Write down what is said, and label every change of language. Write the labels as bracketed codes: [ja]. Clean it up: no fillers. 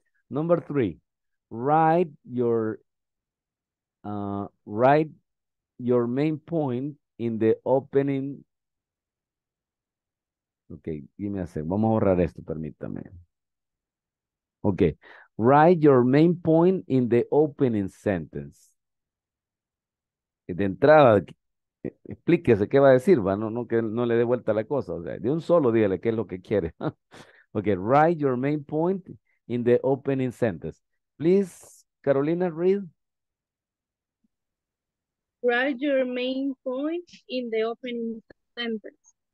[en] Number three, write your main point in the opening. [es] Ok, dime hacer. Vamos a borrar esto, permítame. Ok. [en] Write your main point in the opening sentence. [es] De entrada, explíquese qué va a decir, ¿va? No, que no le dé vuelta la cosa. O sea, de un solo dígale qué es lo que quiere. [en] Ok, write your main point in the opening sentence. Please, Carolina, read. Write your main point in the opening sentence.